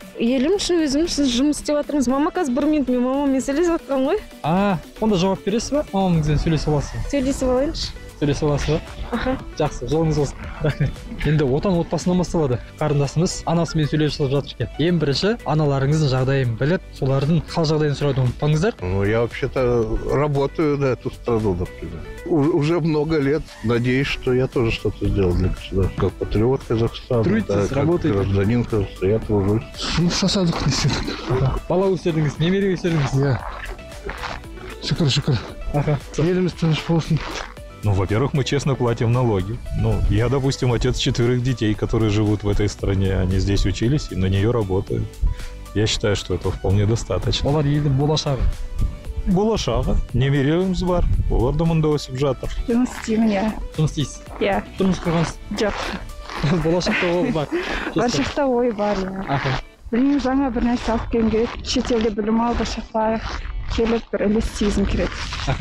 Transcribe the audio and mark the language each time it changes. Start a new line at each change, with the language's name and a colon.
Kazakh: Елім үшін өзім үшін жұмыс істеп жатырмыз. Мама қазір бір минут мен мамамен сөйлесіп жатқан ғой. Онда жауап бересіз ба? Мамаңызбен сөйлесіп аласыз ба? Сөйлесіп алайыншы. Сөйлесіп аласыз ба? Аха. Жақсы, жолыңыз болсын. Рахмет. Енді отан отбасынан басталады. Қарындасымыз анасымен сөйлесіп жатыр екен. Ең бірінші аналарыңыздың жағдайын біліп, солардың қал жағдайын сұрауды ұмытпаңыздар.
Russian: Ну, я вообще-то работаю на эту страну, например. Уже много лет. Надеюсь, что я тоже что-то сделал для государства. Как патриот Казахстана. Трудитесь, работаете. Как гражданин Казахстана, я тружусь.
Kazakh: Жұмыс жасадық десе. Бала өсірдіңіз, немере өсірдіңіз? Иә. Шүкір, шүкір. Еліміз тыныш болсын.
Russian: Ну, во-первых, мы честно платим налоги. Ну, я, допустим, отец четверых детей, которые живут в этой стране. Они здесь учились и на нее работают. Я считаю, что этого вполне достаточно.
Kazakh: Олар елдің болашағы. Болашағы. Немере өміз бар. Олар дымында өсіп жатыр. Жұмыс істеймін, иә. Жұмыс істейсіз? Иә. Тұрмыс құрғансыз? Жоқ. Болашақта ол бар? Болашақта ой бар, иә. Білмеймін, жаңа бір нәрсе алып келгім келеді. Шетелде білім алып, болашақта келіп бір үлес тигізгім келеді.